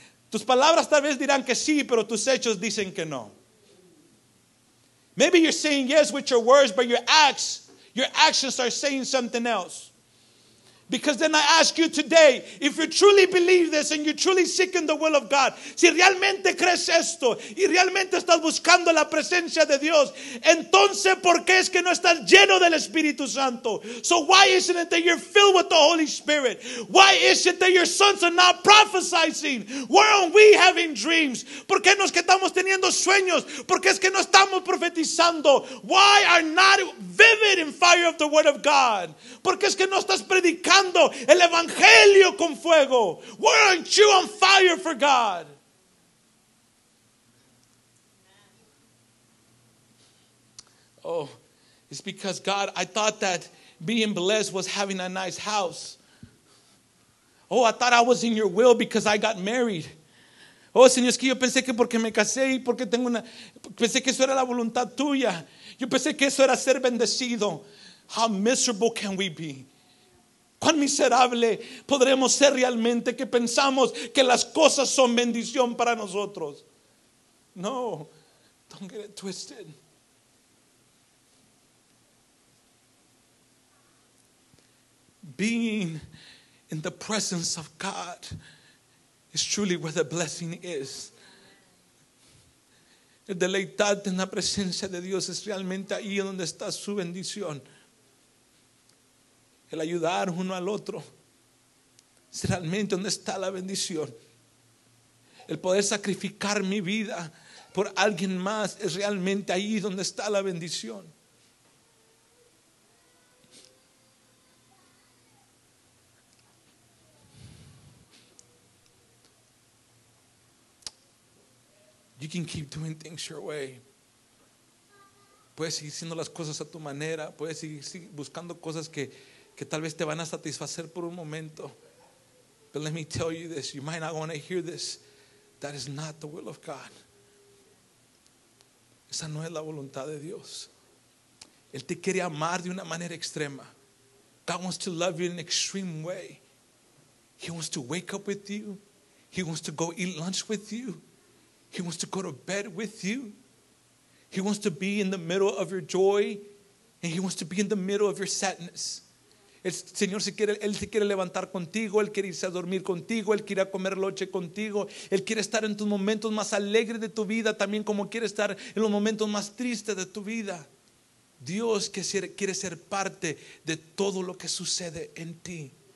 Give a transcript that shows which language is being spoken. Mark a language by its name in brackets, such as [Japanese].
[Spanish] Tus palabras tal vez dirán que sí, pero tus hechos dicen que no. [English] Maybe you're saying yes with your words, but your actions are saying something else. Because then I ask you today, if you truly believe this and you truly seek in the will of God, [Spanish] si realmente crees esto y realmente estás buscando la presencia de Dios, entonces ¿por qué es que no estás lleno del Espíritu Santo? [English] So why isn't it that you're filled with the Holy Spirit? Why is it that your sons are not prophesying? Why aren't we having dreams? [Spanish] ¿Por qué no es que estamos teniendo sueños? ¿Por qué es que no estamos profetizando? [English] Why are not vivid in fire of the word of God? [Spanish] ¿Por qué es que no estás predicando el evangelio con fuego? [English] Why aren't you on fire for God? Oh, it's because God, I thought that being blessed was having a nice house. Oh, I thought I was in your will because I got married. [Spanish] Oh, Señor, es que yo pensé que porque me casé y porque tengo una, pensé que eso era la voluntad tuya. Yo pensé que eso era ser bendecido. [English] How miserable can we be? [Spanish] ¿Cuán miserable podremos ser realmente que pensamos que las cosas son bendición para nosotros? [English] No, don't get it twisted. Being in the presence of God is truly where the blessing is. [Spanish] El deleitarte en la presencia de Dios es realmente ahí donde está su bendición. El ayudar uno al otro es realmente donde está la bendición. El poder sacrificar mi vida por alguien más es realmente ahí donde está la bendición. [English] You can keep doing things your way. [Spanish] Puedes seguir haciendo las cosas a tu manera. Puedes seguir buscando cosas que tal vez te van a satisfacer por un momento. [English] But let me tell you this, you might not want to hear this. That is not the will of God. [Spanish] Esa no es la voluntad de Dios. Él te quiere amar de una manera extrema. [English] God wants to love you in an extreme way. He wants to wake up with you. He wants to go eat lunch with you. He wants to go to bed with you. He wants to be in the middle of your joy. And he wants to be in the middle of your sadness. [Spanish] El Señor se quiere, Él se quiere levantar contigo, Él quiere irse a dormir contigo, Él quiere comer noche contigo, Él quiere estar en tus momentos más alegres de tu vida, también como quiere estar en los momentos más tristes de tu vida. Dios quiere ser parte de todo lo que sucede en ti.